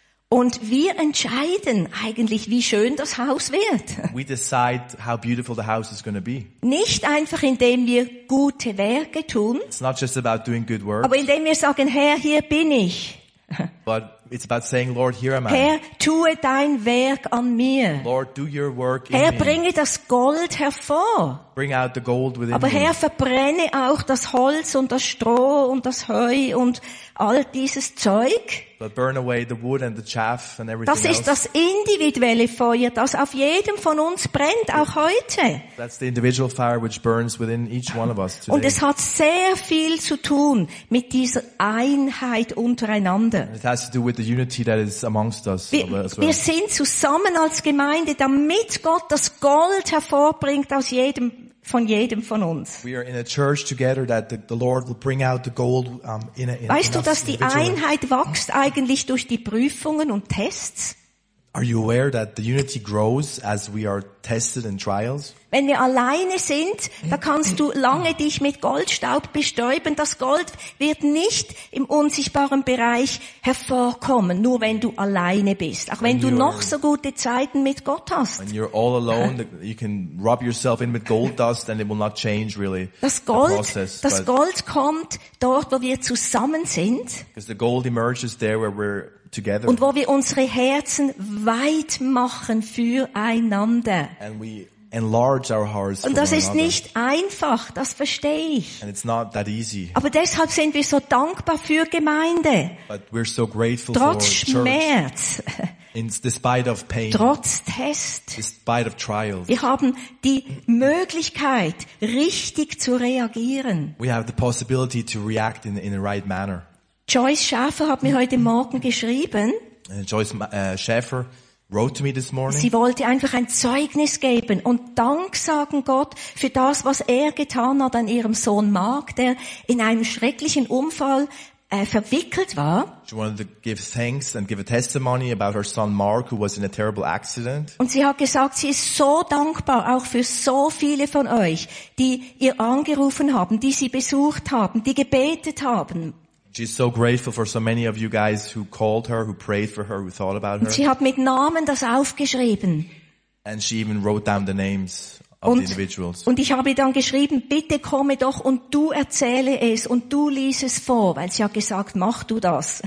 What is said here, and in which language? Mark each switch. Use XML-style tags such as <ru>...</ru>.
<de>Und wir entscheiden eigentlich, wie schön das Haus wird.</de> <en>We decide how beautiful the house is going to be.</en> <de>Nicht einfach, indem wir gute Werke tun.</de> <en>It's not just about doing good works.</en> <de>Aber indem wir sagen, Herr, hier bin ich.</de> <en>But it's about saying, Lord, here am I.</en> <de>Herr, tue dein Werk an mir.</de> <en>Lord, do your work in</en> <de>Herr, bringe das Gold hervor.</de> <en>Bring out the gold within</en> <de>Aber Herr,</de> <en>me.</en> <de>Verbrenne auch das Holz und das Stroh und das Heu und all dieses Zeug.</de> <en>But burn away the wood and the chaff and everything else.</en> <de>Das ist das individuelle Feuer, das auf jedem von uns brennt, auch heute.</de> <en>That's the individual fire which burns within each one of us today.</en> <de>Und es hat sehr viel zu tun mit dieser Einheit untereinander.</de> <en>It has to do with the unity that is amongst us.</en> <de>Wir sind zusammen als Gemeinde, damit Gott das Gold hervorbringt aus jedem von uns.</de> <en>We are in a church together that the Lord will bring out the gold in</en> <de>Weißt du, dass die Einheit wächst eigentlich durch die Prüfungen und Tests?</de> <en>Are you aware that the unity grows as we are t- tested and trials.</en> <de>Wenn wir alleine sind, da kannst du lange dich mit Goldstaub bestäuben. Das Gold wird nicht im unsichtbaren Bereich hervorkommen, nur wenn du alleine bist. Auch wenn du noch so gute Zeiten mit Gott hast.</de> <en>When you're all alone, you can rub yourself in with gold dust and it will not change really.</en> <de>Das Gold kommt dort, wo wir zusammen sind.</de> <en>Because the gold emerges there where we're together.</en> <de>Und wo wir unsere Herzen weit machen füreinander.</de> <en>And we enlarge our hearts.</en> <de>Und das ist nicht einfach, das verstehe ich.</de> <en>And it's not that easy.</en> <de>Aber deshalb sind wir so dankbar für Gemeinde.</de> <en>But we're so grateful</en> <de>trotz</de> <en>for</en> <de>Schmerz.</de> <en>Despite of pain,</en> <de>trotz Test.</de> <en>Despite of trials,</en> <de>wir haben die Möglichkeit, richtig zu reagieren.</de> <en>We have the possibility to react in the right manner.</en> <de>Joyce Schäfer hat mir heute Morgen geschrieben.</de> <en>Joyce Schäfer wrote to me this morning.</en> <de>Sie wollte einfach ein Zeugnis geben und Dank sagen Gott für das, was er getan hat an ihrem Sohn Mark, der in einem schrecklichen Unfall verwickelt war.</de> <en>She wanted to give thanks and give a testimony about her son Mark, who was in a terrible accident.</en> <de>Und sie hat gesagt, sie ist so dankbar auch für so viele von euch, die ihr angerufen haben, die sie besucht haben, die gebetet haben.</de> <en>She's so grateful for so many of you guys who called her, who prayed for her, who thought about her.</en> <de>Und sie hat mit Namen das aufgeschrieben.</de> <en>And she even wrote down the names of the individuals.</en> <de>Und ich habe dann geschrieben, bitte komme doch und du erzähle es und du lies es vor, weil sie hat gesagt, mach du das.</de>